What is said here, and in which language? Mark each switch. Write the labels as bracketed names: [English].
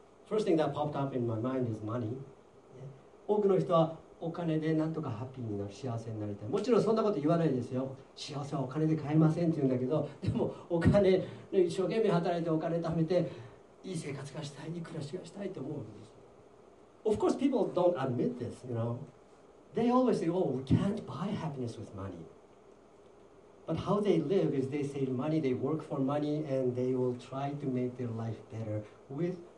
[English] First thing that popped up in my mind is money. [Japanese] 多くの人はお金でなんとかハッピーになる、幸せになりたい。もちろんそんなこと言わないですよ。幸せはお金で買えませんって言うんだけど、でもお金、一生懸命働いてお金貯めて、いい生活がしたい、いい暮らしがしたいと思うんです。 [English] Of course, people don't admit this, you know. They always say, oh, we can't buy happiness with money. But how they live is they save money, they work for money, and they will try to make their life better withMoney.